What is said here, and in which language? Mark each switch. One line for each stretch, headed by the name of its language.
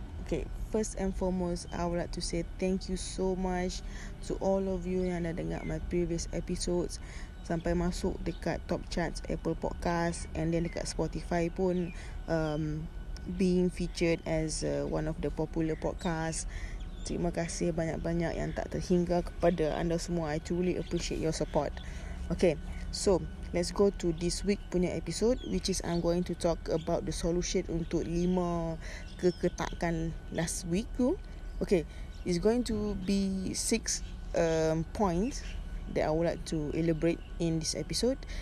English: Okay, first and foremost, I would like to say thank you so much to all of you
Malay: yang dah dengar
English: my previous episodes
Malay: sampai masuk dekat
English: top charts Apple Podcast and then
Malay: dekat
English: Spotify
Malay: pun
English: being featured as one of the popular podcast.
Malay: Terima kasih banyak-banyak yang tak terhingga kepada anda semua.
English: I truly appreciate your support. Okay, so let's go to this week
Malay: punya
English: episode, which is I'm going to talk about the solution
Malay: untuk 5 keketakan
English: last week
Malay: tu.
English: Okay, it's going to be 6 points that I would like to elaborate in this episode.